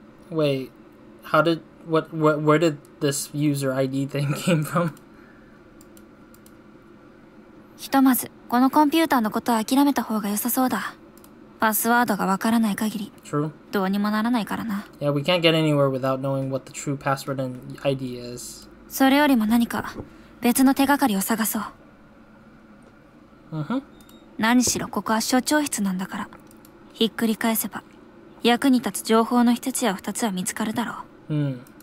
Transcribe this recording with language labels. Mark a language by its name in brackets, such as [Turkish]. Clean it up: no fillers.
[English] Wait, how did, where did this user ID thing came from? [Japanese] ひとまず、このコンピューターのことは諦めた方が良さそうだ。パスワードがわからない限り、どうにもならないからな。 [English] Yeah, we can't get anywhere without knowing what the true password and ID is. [Japanese] それよりも何か別の手がかりを探そう。 [English] Uh-huh. [Japanese] 何しろここは所長室なんだから、ひっくり返せば役に立つ情報の一つや二つは見つかるだろう。